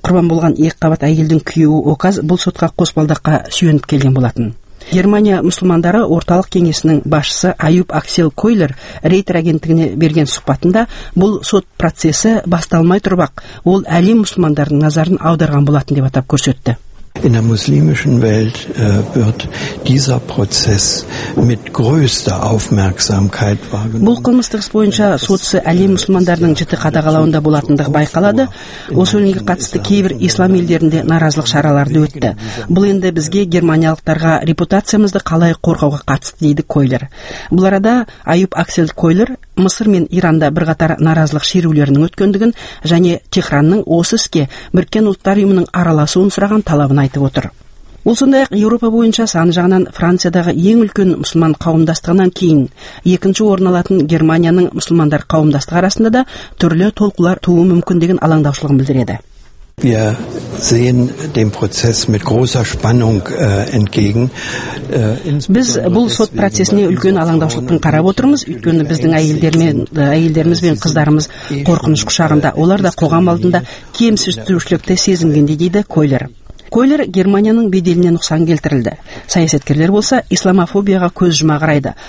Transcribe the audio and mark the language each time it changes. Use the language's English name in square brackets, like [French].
[Kazakh] Құрбан болған екіқабат әйелдің күйеуі Оказ бұл сотқа қосбалдаққа сүйеніп келген болатын. Германия мұсылмандары орталық кеңесінің басшысы Аюб Аксел Койлер Рейтер агенттігіне берген сұхбатында бұл сот процесі басталмай тұрбақ, ол әлем мұсылмандарының назарын аударған болатын деп атап көрсетті. [German] In der muslimischen Welt wird dieser Prozess mit größter Aufmerksamkeit wahrgenommen. [Kazakh] Бұл қылмыстық бойынша сот әлем мұсылмандарының жіті қадағалауында болатындығы байқалады. Осы өлеңге қатысты кейбір ислам елдерінде наразылық шаралары өтті. Бұл енді бізге германиялықтарға репутациямызды қалай қорғауға қатысты дейді Койлер. Бұл арада Аюб Аксел Койлер Мысыр мен Иранда бірқатар наразылық шерулерінің өткендігін және Техранның осы іске Біріккен ұлттар ұйымының араласуын сұраған талабын айтып отыр. Ол сондай-ақ Еуропа бойынша саны жағынан Франциядағы ең үлкен мұсылман қауымдастығынан кейін екінші орын алатын Германияның мұсылмандар қауымдастығы арасында да түрлі толқулар тууы мүмкін деген алаңдаушылығын білдіреді. [German] Wir sehen dem Prozess mit großer Spannung entgegen. [Kazakh] Біз бұл сот процесіне үлкен алаңдаушылықпен қарап отырмыз. Өйткені біздің әйелдеріміз бен қыздарымыз қорқыныш құшағында, олар да қоғам алдында кемсітушілікті сезінгенде дейді Койлер. Койлер Германияның беделіне нұқсан келтірілді. Саясаткерлер болса, исламофобияға көз жұма қарайды.